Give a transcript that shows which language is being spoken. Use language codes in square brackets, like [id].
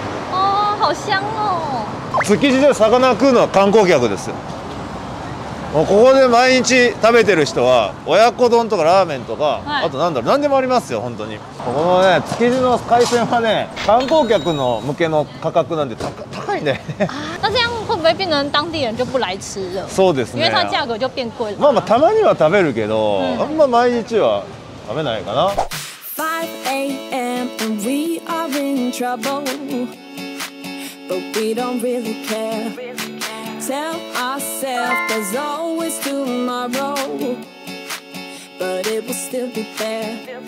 [zh] あ好香哦 [ja] 築地で魚食うのは観光客ですよここで毎日食べてる人は親子丼とかラーメンとか、はい、あと何だろう何でもありますよ本当にここのね築地の海鮮はね観光客の向けの価格なんで [zh] 那这样会不会变成当地人就不来吃了？ [ja] そうですね。 [zh] 因为它价格就变贵了。 [ja] まあまあたまには食べるけど、あんま毎日は食べないかな。 [en] 5 a.m. and we are in trouble, but we don't really care. Tell ourselves there's always tomorrow, but it will still be there.